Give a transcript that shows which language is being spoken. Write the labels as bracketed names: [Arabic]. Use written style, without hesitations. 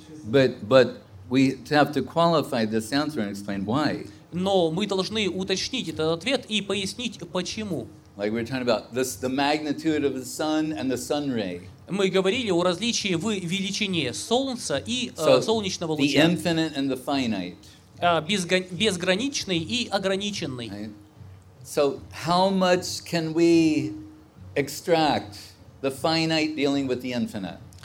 [English] But we have to qualify this answer and explain why. [Russian] Но мы должны уточнить этот ответ и пояснить почему. [English] Like we're talking about this, the magnitude of the sun and the sun ray. [Russian] Мы говорили о различии в величине солнца и солнечного луча. [English] The infinite and the finite. [Russian] Безграничный и ограниченный. [English] Right. So how much can we extract the finite dealing with the infinite?